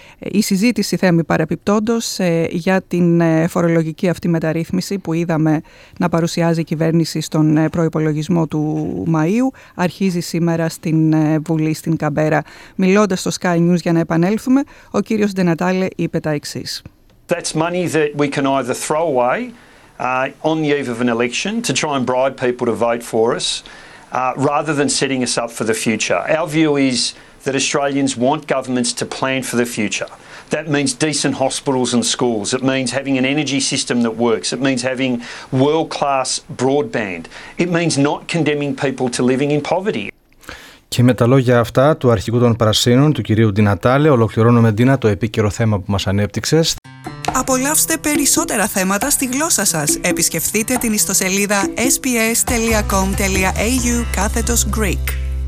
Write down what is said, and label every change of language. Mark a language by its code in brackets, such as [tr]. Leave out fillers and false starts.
[el] Η συζήτηση, Θέμη, παρεπιπτόντως, για την φορολογική αυτή μεταρρύθμιση που είδαμε να παρουσιάζει η κυβέρνηση στον προϋπολογισμό του Μαΐου, αρχίζει σήμερα στην Βουλή, στην Καμπέρα. Μιλώντας στο Sky News, για να επανέλθουμε, ο κύριος Ντε Νατάλε είπε τα εξής. [en] That's money that we can either throw away on the eve of an election to try and bribe people to vote for us rather than setting us up for the future. Our view is that Australians want governments to plan for the future. That means decent hospitals and schools. It means having an energy system that works. It means having world-class broadband. It means not condemning people to living in poverty. [el] Και με τα λόγια αυτά του αρχηγού των Πρασίνων, του κυρίου Ντινατάλε, ολοκληρώνουμε, Ντίνα, το επίκαιρο θέμα που μας ανέπτυξες. Απολαύστε περισσότερα θέματα στη γλώσσα σας. Επισκεφτείτε την ιστοσελίδα sbs.com.au/Greek.